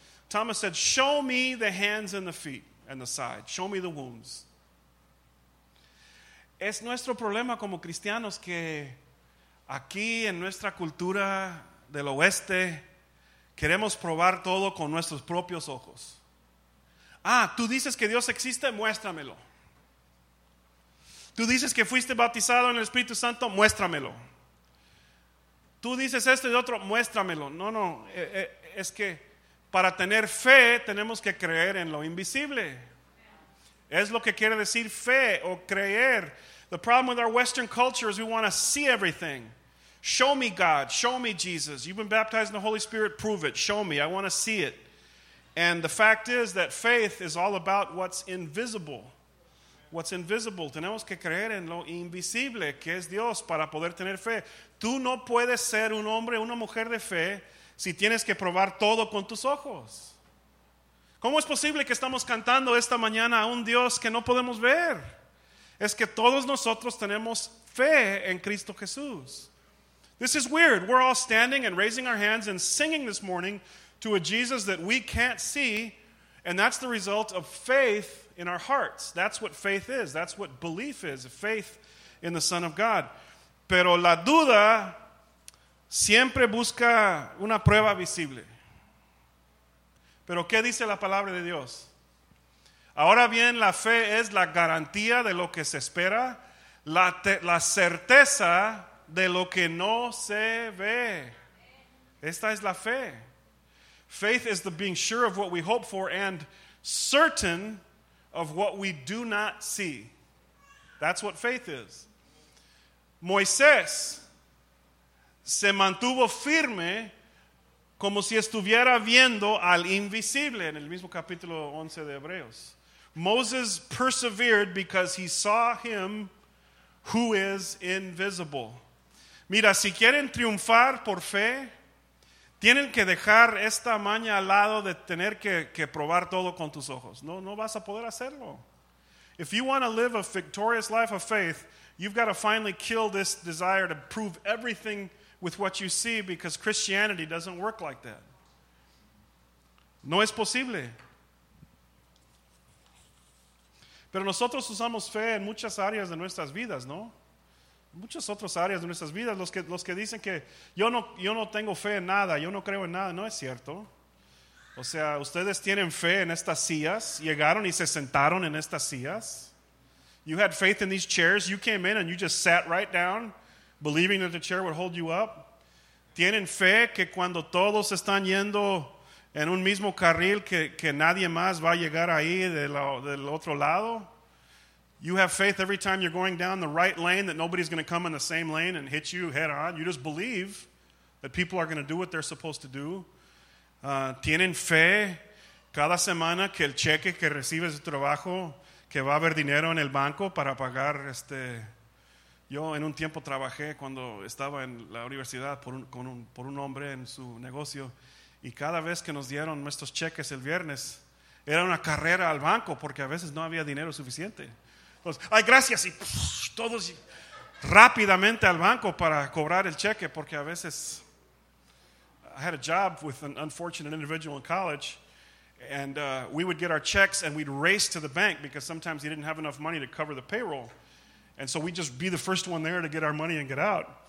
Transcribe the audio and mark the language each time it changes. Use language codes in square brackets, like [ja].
[en] Thomas said, "Show me the hands and the feet and the side. Show me the wounds." [es] Es nuestro problema como cristianos que aquí en nuestra cultura del oeste queremos probar todo con nuestros propios ojos. Ah, tú dices que Dios existe, muéstramelo. Tú dices que fuiste bautizado en el Espíritu Santo, muéstramelo. Tú dices esto y otro, muéstramelo. No, es que para tener fe tenemos que creer en lo invisible. Es lo que quiere decir fe o creer. [en] The problem with our Western culture is we want to see everything. Show me God, show me Jesus. You've been baptized in the Holy Spirit, prove it. Show me, I want to see it. And the fact is that faith is all about what's invisible. What's invisible. [es] Tenemos que creer en lo invisible, que es Dios, para poder tener fe. Tú no puedes ser un hombre, una mujer de fe, si tienes que probar todo con tus ojos. ¿Cómo es posible que estamos cantando esta mañana a un Dios que no podemos ver? Es que todos nosotros tenemos fe en Cristo Jesús. [en] This is weird. We're all standing and raising our hands and singing this morning to a Jesus that we can't see, and that's the result of faith in our hearts. That's what faith is. That's what belief is, faith in the Son of God. [es] Pero la duda siempre busca una prueba visible. Pero ¿qué dice la palabra de Dios? Ahora bien, la fe es la garantía de lo que se espera, la certeza de lo que no se ve. Esta es la fe. [en] Faith is the being sure of what we hope for and certain of what we do not see. That's what faith is. [es] Moisés se mantuvo firme como si estuviera viendo al invisible, en el mismo capítulo 11 de Hebreos. [en] Moses persevered because he saw him who is invisible. [es] Mira, si quieren triunfar por fe, tienen que dejar esta maña al lado de tener que probar todo con tus ojos. No vas a poder hacerlo. [en] If you want to live a victorious life of faith, you've got to finally kill this desire to prove everything with what you see, because Christianity doesn't work like that. [es] No es posible. Pero nosotros usamos fe en muchas áreas de nuestras vidas, ¿no? Muchas otras áreas de nuestras vidas. Los que dicen que yo no tengo fe en nada, yo no creo en nada, no es cierto. O sea, ustedes tienen fe en estas sillas, llegaron y se sentaron en estas sillas. [en] You had faith in these chairs, you came in and you just sat right down, believing that the chair would hold you up. [es] Tienen fe que cuando todos están yendo en un mismo carril, que nadie más va a llegar ahí del otro lado. [en] You have faith every time you're going down the right lane that nobody's going to come in the same lane and hit you head on. You just believe that people are going to do what they're supposed to do. [es] Tienen fe cada semana que el cheque que recibes de trabajo, que va a haber dinero en el banco para pagar este. Yo en un tiempo trabajé cuando estaba en la universidad por un hombre en su negocio, y cada vez que nos dieron nuestros cheques el viernes era una carrera al banco porque a veces no había dinero suficiente. Entonces, ay, gracias, y todos rápidamente al banco para cobrar el cheque, porque a veces. [en] I had a job with an unfortunate individual in college, and we would get our checks and we'd race to the bank because sometimes he didn't have enough money to cover the payroll. And so we'd just be the first one there to get our money and get out.